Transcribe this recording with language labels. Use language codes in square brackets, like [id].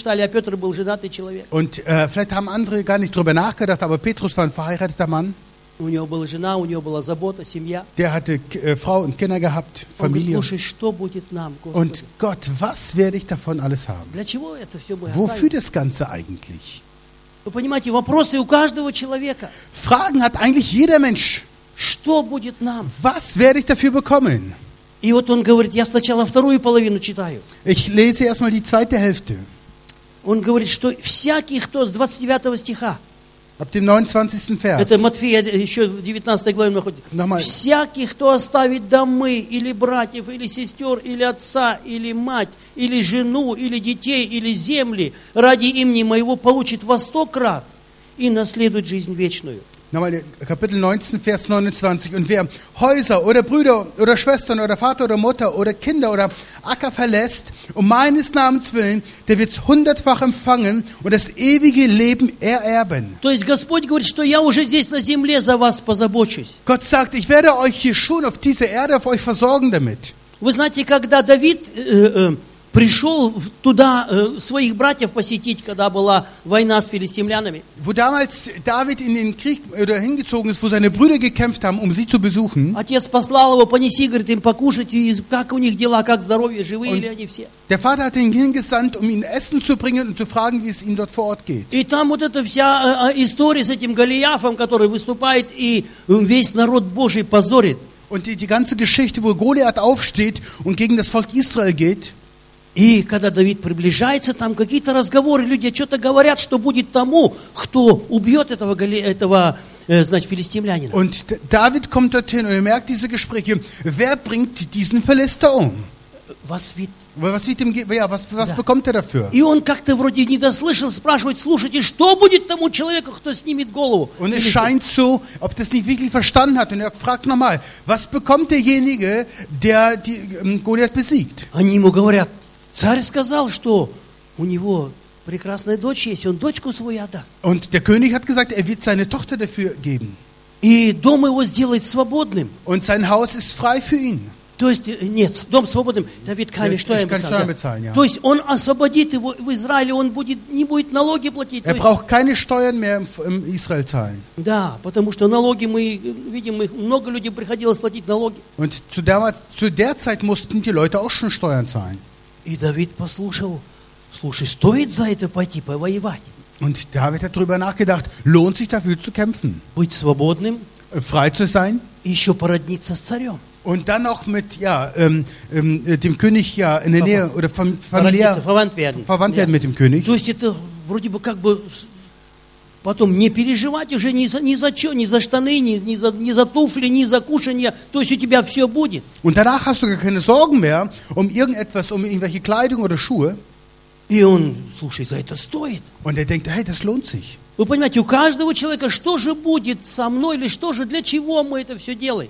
[de] Und vielleicht haben andere gar nicht drüber nachgedacht, aber Petrus war ein verheirateter Mann. [ru] У него была жена, у него была забота, семья. [de] Der hatte Frau und Kinder gehabt, Familie. [ru] Он говорит, слушай, что будет нам, Господи? [de] Und Gott, was werde ich davon alles haben? [ru] Для чего это все мы оставим? [de] Wofür das Ganze eigentlich? [ru] Вы понимаете, вопросы у каждого человека. [de] Fragen hat eigentlich jeder Mensch. [ru] Что будет нам? [de] Was werde ich dafür bekommen? [ru] И вот он говорит, я сначала вторую половину читаю. [de] Ich lese erstmal die zweite Hälfte. [ru] Он говорит, что всякий, кто с 29 стиха. [de] Ab dem 29. Vers. [ru] Это Матфея еще в 19 главе находится. Всякий, кто оставит домы или братьев, или сестер, или отца, или мать, или жену, или детей, или земли ради имени моего, получит во сто крат и наследует жизнь вечную. [de] Nochmal, Kapitel 19, Vers 29. Und wer Häuser oder Brüder oder Schwestern oder Vater oder Mutter oder Kinder oder Acker verlässt, um meines Namens willen, der wird es hundertfach empfangen und das ewige Leben ererben. Gott sagt, ich werde euch hier schon auf dieser Erde auf euch versorgen damit. [ru] Вы знаете, когда Давид пришел туда своих братьев посетить, когда была война с филистимлянами. [de] Wo damals David in den Krieg oder hingezogen ist, wo seine Brüder gekämpft haben, um sie zu besuchen. [ru] Отец послал его, понеси, говорит, им покушать, и как у них дела, как здоровье, живые ли они все. [de] Der Vater hat ihn hingesandt, um ihnen Essen zu bringen und zu fragen, wie es ihnen dort vor Ort geht. [ru] И там вот эта вся история с этим Голиафом, который выступает и весь народ Божий позорит. [de] Und die ganze Geschichte, wo Goliath aufsteht und gegen das Volk Israel geht. [ru] И когда Давид приближается, там какие-то разговоры, люди что-то говорят, что будет тому, кто убьет этого, значит, филистимлянина. [de] Und David kommt dorthin und merkt diese Gespräche. Wer bringt diesen Philister um? Was bekommt er dafür? [ru] И он как-то вроде не дослышал, спрашивает, слушайте, что будет тому человеку, кто снимет голову? [de] Und es scheint so, ob das nicht wirklich verstanden hat. Und er fragt nochmal, was bekommt derjenige, der Goliath besiegt? [ru] Они ему говорят, царь сказал, что у него прекрасная дочь есть, он дочку свою отдаст. [de] Und der König hat gesagt, wird seine Tochter dafür geben. [ru] И дом его сделает свободным. [de] Und sein Haus ist frei für ihn. [ru] То есть, нет, дом свободным. Давид, Камень, что я ему сказал? То есть, он освободит его в Израиле, он будет, не будет налоги платить. [de] Braucht keine Steuern mehr im Israel zahlen. [ru] Да, потому что налоги мы видим, много людей приходилось платить налоги. [de] Und zu der Zeit mussten die Leute auch schon Steuern zahlen. [ru] И Давид послушал, слушай, стоит за это пойти повоевать? [de] Und David hat darüber nachgedacht, lohnt sich dafür zu kämpfen? [ru] Быть свободным? [de] Frei zu sein? [ru] Еще породниться с царем? [de] Und dann auch mit dem König ja in der Nähe oder familiär verwandt werden mit dem König? [ru] То есть это вроде бы как бы потом не переживать уже ни за штаны, ни за туфли, ни за кушанье, то есть у тебя все будет. [de] Und danach hast du gar keine Sorgen mehr irgendwelche Kleidung oder Schuhe. [ru] И он, слушай, за это стоит. [de] Und er denkt, hey, das lohnt sich. [ru] Вы понимаете, у каждого человека, что же будет со мной, или что же, для чего мы это все делаем?